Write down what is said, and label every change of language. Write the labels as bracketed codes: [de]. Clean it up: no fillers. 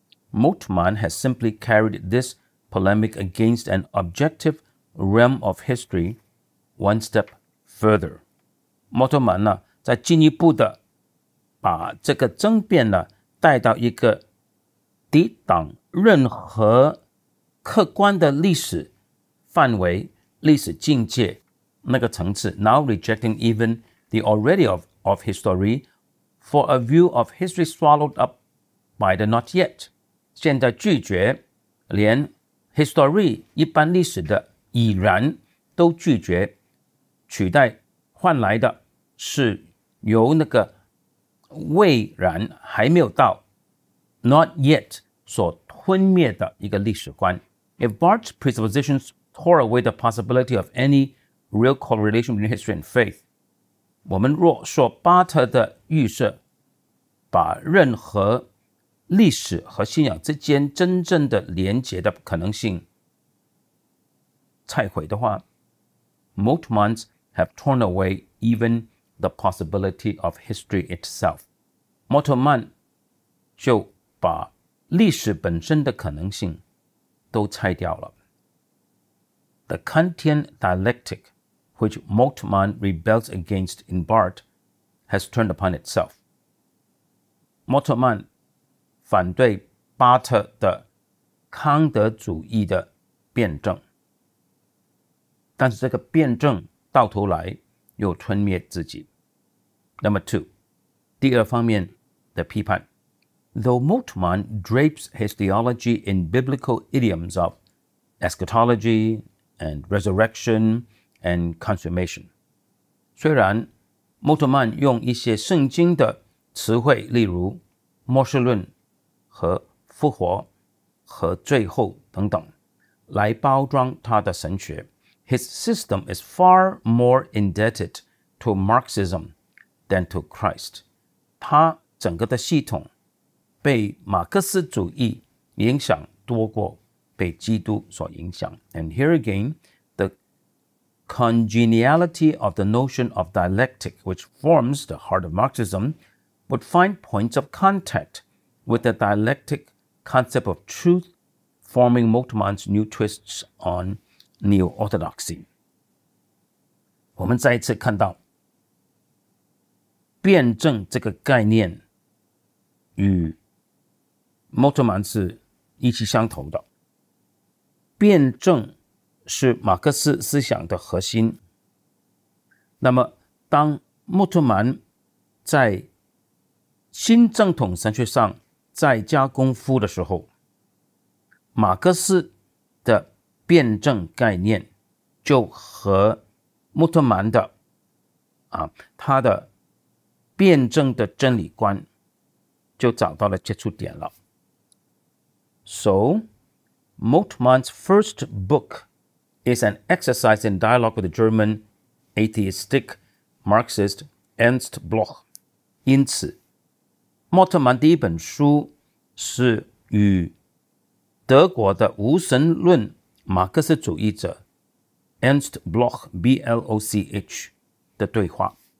[en] Moltmann has simply carried this polemic against an objective realm of history one step further。 [zh] 莫特曼呢，再进一步的把这个争辩呢带到一个抵挡任何客观的历史范围、历史境界那个层次。 [en] Now rejecting even the already of history for a view of history swallowed up by the not yet。 [zh] 现在拒绝连 history 一般历史的已然都拒绝，取代换来的是由那个未然还没有到 [en] not yet [zh] 所吞灭的一个历史观。 [en] If Barth's presuppositions tore away the possibility of any real correlation between history and faith， [zh] 我们若说巴特的预设把任何历史和信仰之间真正的连结的可能性拆毁的话， [en] Moltmann's have torn away even the possibility of history itself。 [zh] 莫特曼就把历史本身的可能性都拆掉了。 [en] The Kantian dialectic which Moltmann rebels against in Barth has turned upon itself。 [zh] 莫特曼反对巴特的康德主义的辩证，但是这个辩证到头来又吞灭自己。 [en] Number two， [zh] 第二方面的批判。 [en] Though Moltmann drapes his theology in biblical idioms of eschatology and resurrection and consummation， [zh] 虽然莫特曼用一些圣经的词汇，例如末世论和复活和最后等等，来包装他的神学， [en] His system is far more indebted to Marxism than to Christ。 [zh] 他整个的系统被马克思主义影响多过被基督所影响。 [en] And here again, the congeniality of the notion of dialectic which forms the heart of Marxism would find points of contact with the dialectic concept of truth forming Moltmann's new twists onNew Orthodoxy。 [zh] 我们再一次看到辩证这个概念与莫特曼是一气相投的。辩证是马克思思想的核心，那么当莫特曼在新正统神学上再加功夫的时候，马克思的辩证概念就和穆特曼的啊，他的辩证的真理观就找到了接触点了。 [en] So, Moltmann's first book is an exercise in dialogue with the German atheistic Marxist Ernst Bloch. [zh] 因此，穆特曼第一本书是与德国的无神论马克思主义者 Ernst Bloch, B-L-O-C-H 的对话。